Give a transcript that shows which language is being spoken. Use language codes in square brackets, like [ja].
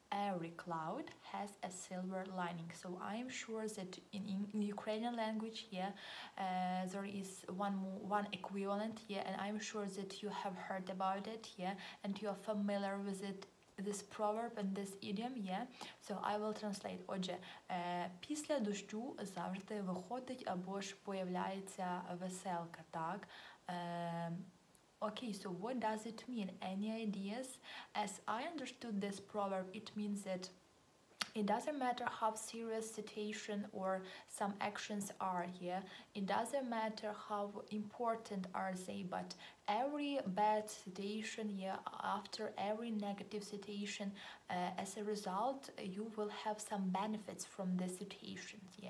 [en] Every cloud has a silver lining. So I'm sure that in Ukrainian language, there is one equivalent, and I'm sure that you have heard about it, and you're familiar with it, this proverb and this idiom, So I will translate. [uk] Отже, після дощу завжди виходить або ж появляється веселка, так? [en] Okay, so what does it mean? Any ideas? As I understood this proverb, it means that it doesn't matter how serious situation or some actions are, it doesn't matter how important are they, but every bad situation, after every negative situation, as a result, you will have some benefits from this situation,